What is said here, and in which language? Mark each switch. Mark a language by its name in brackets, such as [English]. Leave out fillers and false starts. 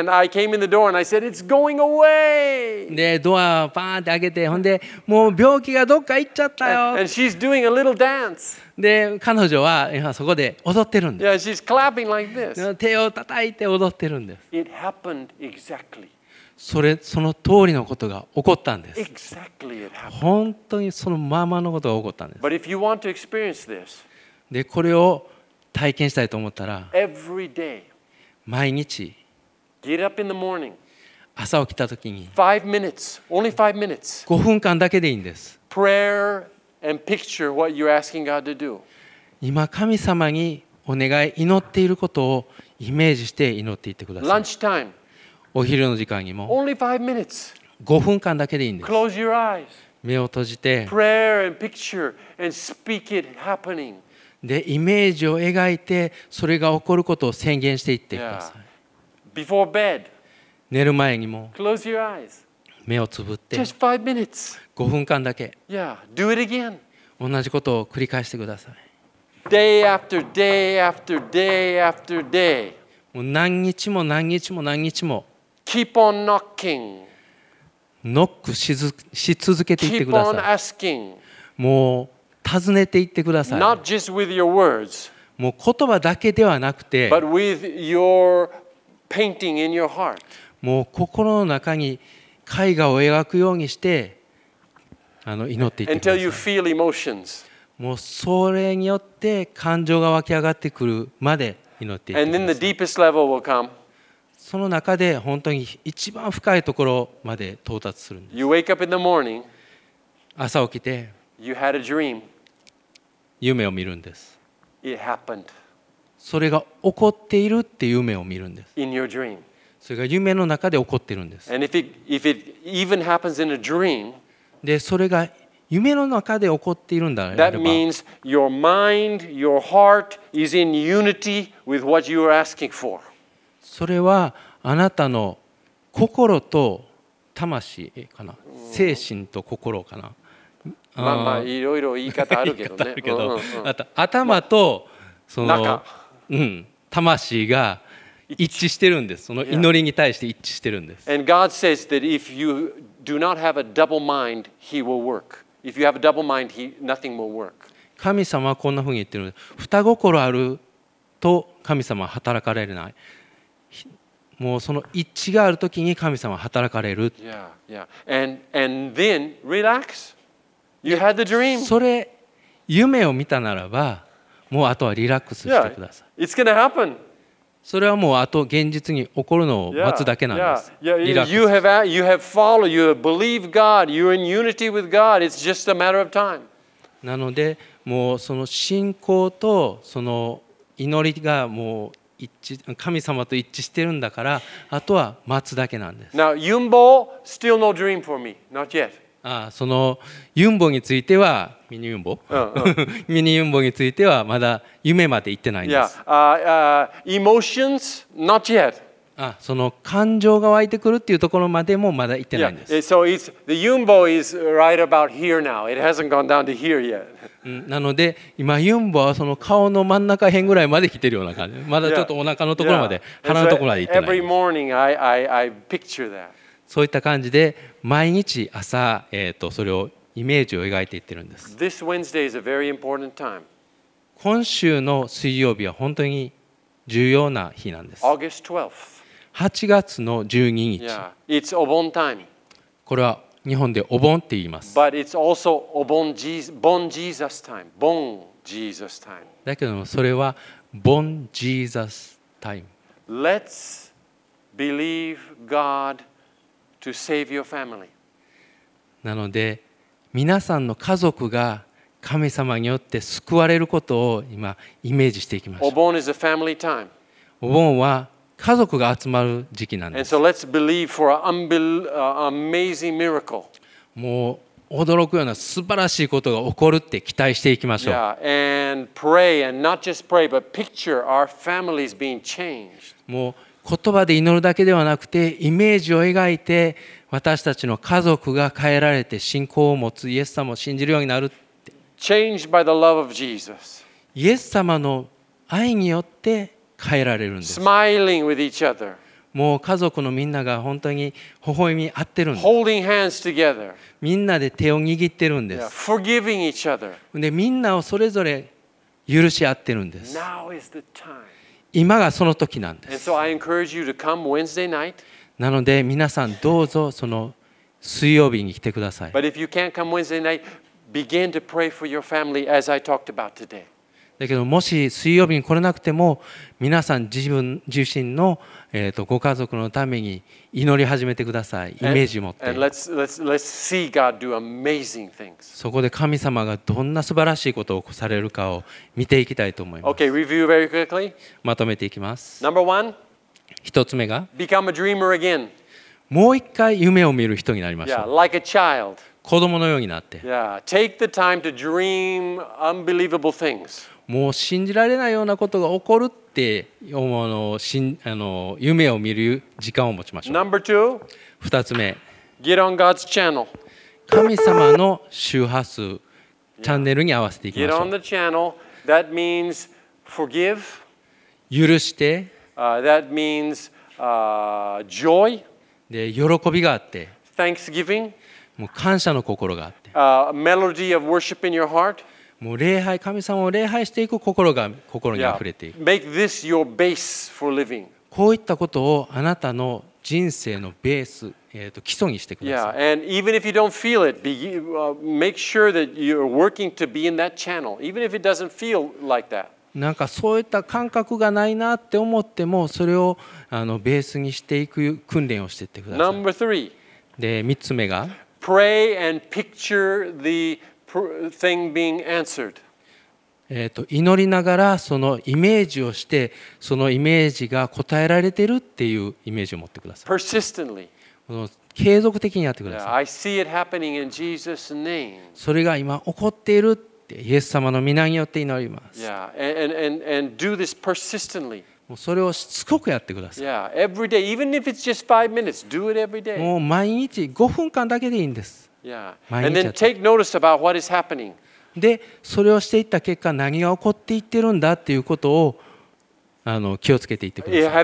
[English] And I came in the door and I said, "It's going away." [Japanese] で、ドアをパーンって開けて、ほんで、もう病気がどっか行っちゃったよ。 [English] And she's doing a little dance. [Japanese] で、彼女は今そこで踊ってるんです。 [English] Yeah, she's clapping like this. [Japanese] 手を叩いて踊ってるんです。 [English] It happened exactly. [Japanese] その通りのことが起こったんです。 [English] Exactly、it happened. [Japanese] 本当にそのままのことが起こったんです。 [English] But if you want to experience this, [Japanese] で、これを体験したいと思ったら、 [English] every day, [Japanese] 毎日、 [English] get up in the morning, [Japanese] 朝起きた時に [English] 5 minutes, only 5 minutes. [Japanese] 5分間だけでいいんです。 [English] Prayer and picture what you're asking God to do. [Japanese] 今神様にお願い祈っていることをイメージして祈っていってください。 [English] Lunchtime. [Japanese] お昼の時間にも [English] Only 5 minutes. [Japanese] 5分間だけでいいんです。 [English] Close your eyes. [Japanese] 目を閉じて [English] Prayer and picture and speak it happening. [Japanese] でイメージを描いてそれが起こることを宣言していってください。 [English] Before bed. [Japanese] 寝る前にも [English] Close your eyes. [Japanese] 目をつぶって [English] Just 5 minutes. [Japanese] 5分間だけ [English] yeah, do it again. [Japanese] 同じことを繰り返してください。 [English] Day after day after day after day. [Japanese] もう何日も何日も何日も [English] Keep on knocking. [Japanese] ノック し続けていってください。 [English] Keep on asking. [Japanese] もう尋ねていってください。 [English] Not just with your words. [Japanese] もう言葉だけではなくて [English] But with your painting in your heart. [Japanese] もう心の中に絵画を描くようにして祈っていってください。もうそれによって感情が湧き上がってくるまで祈っていってください。その中で本当に一番深いところまで到達するんです。 [English] You wake up in the morning, [Japanese] 朝起きて [English] you had a dream. [Japanese] 夢を見るんです。 [English] It happened. [Japanese] それが起こっているっていう夢を見るんです。 [English] In your dream. [Japanese] それが夢の中で起こっているんです。 [English] And if it even happens in a dream, [Japanese] で、それが夢の中で起こっているんだ。 [English] That means your mind, your heart is in unity with what you are asking for. [Japanese] それはあなたの心と魂かな、精神と心かな。まあまあいろいろ言い方あるけどね。あるけど、あと頭とその、まあ、魂が。一致してるんです。その祈りに対して一致してるんです。 [English] And God says that if you do not have a double mind, He will work. If you have a double mind, nothing will work. [Japanese] 神様はこんなふうに言ってるんです。二心あると神様は働かれない。もうその一致があるときに神様は働かれる。 [English] Yeah, yeah. And then relax. You had the dream. [Japanese] それ夢を見たならば、もうあとはリラックスしてください。 [English] Yeah, it's gonna happen. [Japanese] それはもうあと現実に起こるのを待つだけなんです。 [English] You have followed, you have believed God, you're in unity with God. It's just a matter of time. [Japanese] なので、もうその信仰とその祈りがもう一致、神様と一致してるんだから、あとは待つだけなんです。 [English] Now, Yunbo, still no dream for me, not yet. [Japanese] ああ、そのユンボについては、ミニユンボ、ミニユンボについてはまだ夢まで行ってないんです。 [English] Emotions, not yet. [Japanese] あ、その感情が湧いてくるっていうところまでもまだ行ってないんです。 [English] Yeah. So it's the Yunbo is right about here now. It hasn't gone down to here yet. [Japanese] なので今ユンボはその顔の真ん中辺ぐらいまで来てるような感じ。まだちょっとお腹のところまで、鼻のところまで行ってない。 [English] Every morning, I picture that. [Japanese] そういった感じで毎日朝、それをイメージを描いていってるんです。 [English] This Wednesday is a very important time. [Japanese] 今週の水曜日は本当に重要な日なんです。 [English] August 12th. [Japanese] 8月の12日、 [English] yeah. It's Obon time. [Japanese] これは日本でお盆って言います。 [English] But it's also Obon Jesus time. Bon Jesus time. [Japanese] だけどもそれは [English] Bon Jesus time. Let's believe GodTo save your family. [Japanese] なので皆さんの家族が神様によって救われることを今イメージしていきましょう。 [English] お盆 is a family time. [Japanese] お盆は家族が集まる時期なんです。 [English] And so let's believe for an amazing miracle. [Japanese] もう驚くような素晴らしいことが起こるって期待していきましょう。 [English] Yeah, and pray, and not just pray, but picture our families being changed. [Japanese] もう言葉で祈るだけではなくてイメージを描いて私たちの家族が変えられて信仰を持つイエス様を信じるようになるって。 [English] Changed by the love of Jesus. [Japanese] イエス様の愛によって変えられるんです。 [English] Smiling with each other. [Japanese] もう家族のみんなが本当に微笑み合ってるんです。 [English] Holding hands together. [Japanese] みんなで手を握ってるんです。 [English] Forgiving each other. [Japanese] でみんなをそれぞれ許し合ってるんです。 [English] Now is the time. [Japanese] 今がその時なんです。なので皆さんどうぞその水曜日に来てください。 [English] But if you can't come Wednesday night, begin to pray for your family as I talked about today. [Japanese] だけどもし水曜日に来れなくても皆さん自分自身のご家族のために祈り始めてください。イメージ持って [English] let's see God do amazing things. [Japanese] そこで神様がどんな素晴らしいことをされるかを見ていきたいと思います。 [English] Okay, review very quickly. [Japanese] まとめていきます。 [English] Number one, [Japanese] 一つ目が [English] become a dreamer again. [Japanese] もう一回夢を見る人になりましょう。 [English] Yeah, like a child. [Japanese] 子供のようになって [English] Yeah, take the time to dream unbelievable things. [Japanese] もう信じられないようなことが起こるって思う夢を見る時間を持ちましょう。 [English] Number two, [Japanese] 二つ目 [English] get on God's channel. [Japanese] 神様の周波数チャンネルに合わせていきましょう。 [English] Get on the channel. That means forgive. [Japanese] 許して、 [English] That means joy. [Japanese] で喜びがあって [English] Thanksgiving. [Japanese] もう感謝の心があって [English] melody of worship in your heart. [Japanese] もう礼拝、神様を礼拝していく心が心に溢れていく。 [English] Yeah. Make this your base for living. [Japanese] こういったことをあなたの人生のベース、基礎にしてください。 [English] Yeah. And even if you don't feel it, make sure that you're working to be in that channel, even if it doesn't feel like that. [Japanese] なんかそういった感覚がないなって思っても、それをベースにしていく訓練をしていってください。 [English] Number three. [Japanese] で、三つ目が。 [English] Pray and picture the thing being answered. [Japanese] 祈りながらそのイメージをして、そのイメージが答えられてるっていうイメージを持ってください。 [English] Persistently. [Japanese] 継続的にやってください。 [English] I see it happening in Jesus' name. [Japanese] それが今起こっているってイエス様の御名によって祈ります。 [English] Yeah, and do this persistently. [Japanese] もうそれをしつこくやってください。 [English] Yeah, every day, even if it's just five minutes, do it every day. [Japanese] もう毎日5分間だけでいいんです。 [English] Yeah. And then take notice about what is happening. [Japanese] で、それをしていった結果、何が起こっていってるんだっていうことを気をつけていってください。